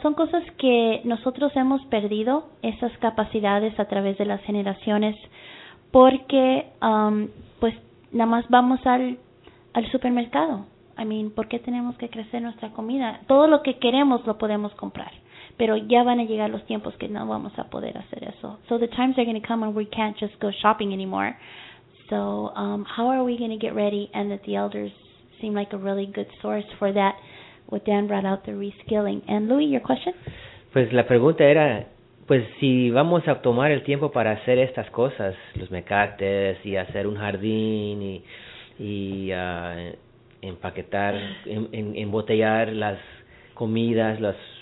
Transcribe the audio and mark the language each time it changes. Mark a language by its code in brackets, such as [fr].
[es] Son cosas que nosotros hemos perdido, esas capacidades a través de las generaciones, porque pues nada más vamos al supermercado. I mean, ¿por qué tenemos que crecer nuestra comida? Todo lo que queremos lo podemos comprar. Pero ya van a llegar los tiempos que no vamos a poder hacer eso. [en] So the times are going to come when we can't just go shopping anymore. So how are we going to get ready? And that the elders seem like a really good source for that. What Dan brought out, the reskilling. And Louis, your question? [es] Pues la pregunta era, pues si vamos a tomar el tiempo para hacer estas cosas, los mecates y hacer un jardín y empaquetar, embotellar las comidas, las...